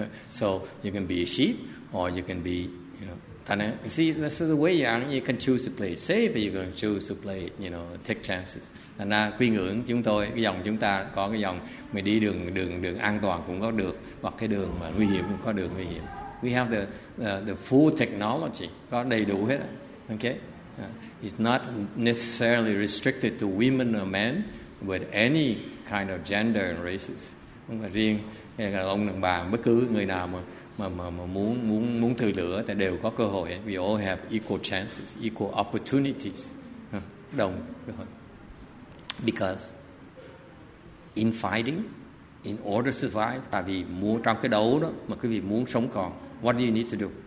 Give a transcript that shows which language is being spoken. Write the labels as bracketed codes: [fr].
[en] So you can be a sheep or you can be, you see, this is the way you can choose to play safe, you can choose to play, take chances. [vi] Thành ra quy ngưỡng chúng tôi, cái dòng chúng ta có cái dòng mình đi đường an toàn cũng có được, hoặc cái đường mà nguy hiểm cũng có đường nguy hiểm. [en] We have the full technology, [vi] có đầy đủ hết. [en] Okay, it's not necessarily restricted to women or men, but any kind of gender and races. [vi] Không phải riêng ông đàn bà, bất cứ người nào mà muốn thử lửa thì đều có cơ hội. [en] We all have equal chances, equal opportunities. [vi] Đồng cơ hội. [en] Because in fighting, in order to survive, [vi] tại vì muốn trong cái đấu đó mà quý vị muốn sống còn, [en] what do you need to do?